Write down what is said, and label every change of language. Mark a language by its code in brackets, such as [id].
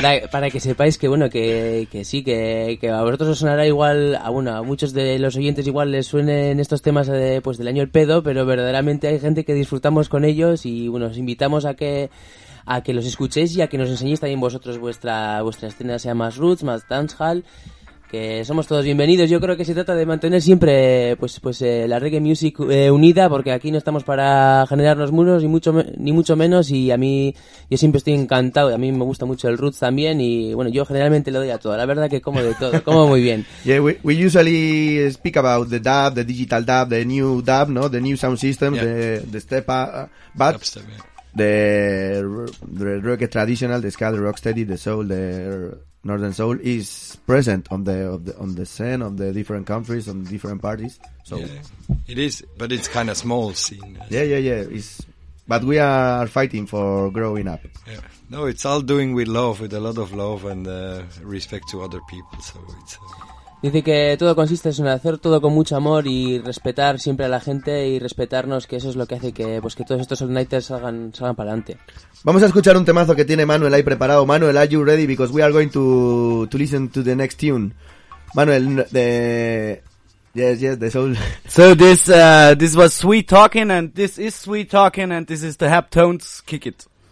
[es] para que sepáis que bueno que sí que a vosotros os sonará igual a bueno, a muchos de los oyentes igual les suenen estos temas de, pues del año el pedo, pero verdaderamente hay gente que disfrutamos con ellos y bueno, os invitamos a que los escuchéis y a que nos enseñéis también vosotros vuestra escena, sea más roots, más dancehall, que somos todos bienvenidos. Yo creo que se trata de mantener siempre pues la reggae music unida, porque aquí no estamos para generarnos muros ni mucho menos, y a mí yo siempre estoy encantado, y a mí me gusta mucho el roots también, y bueno, yo generalmente lo doy a todo, la verdad que como de todo, como muy bien. [en] Yeah, we usually speak about the dub, the digital dub, the new dub, no, the new sound system, yeah. the step up, the reggae traditional, the ska, the rocksteady, the soul, the northern soul is present on the scene of the different countries, on different parties. So yeah, it is, but it's kind of small scene. Yeah. It's, but we are fighting for growing up. Yeah. No, it's all doing with love, with a lot of love and respect to other people. So it's. [es] Dice que todo consiste en hacer todo con mucho amor y respetar siempre a la gente y respetarnos, que eso es lo que hace que pues que todos estos all-nighters salgan para adelante. Vamos a escuchar un temazo que tiene Manuel ahí preparado. [en] Manuel, are you ready? Because we are going to listen to the next tune. Manuel, yes, the soul. So this was Sweet Talking, and this is Sweet Talking, and this is the Haptones, Kick It.